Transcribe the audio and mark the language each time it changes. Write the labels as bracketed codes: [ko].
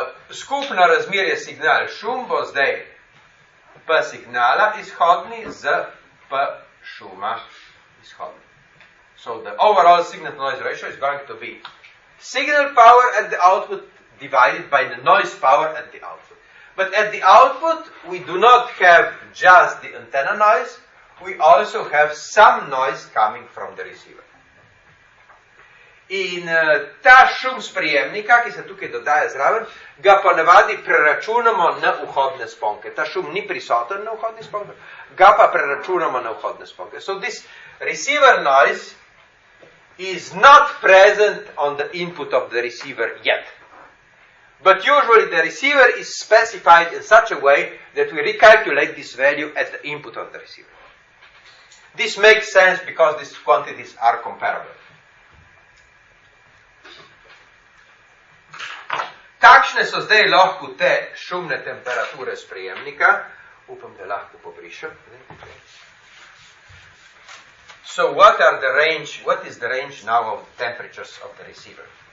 [sl] Skupno razmerje signal šum bo zdaj P signala izhodni z P šuma izhodni. [en] So the overall signal noise ratio is going to be signal power at the output divided by the noise power at the output. But at the output, we do not have just the antenna noise, we also have some noise coming from the receiver. [sl] In ta šum sprejemnika, ki se tukaj dodaja zraven, ga ponavadi preračunamo na vhodne sponke. Ta šum ni prisoten na vhodni sponke, ga pa preračunamo na vhodne sponke. [en] So this receiver noise is not present on the input of the receiver yet. But usually the receiver is specified in such a way that we recalculate this value at the input of the receiver. This makes sense because these quantities are comparable. [sl] Takšne so zdaj lahko te šumne temperature sprejemnika. Upam, da lahko pobrišem. [en] So what are the range, what is the range now of temperatures of the receiver?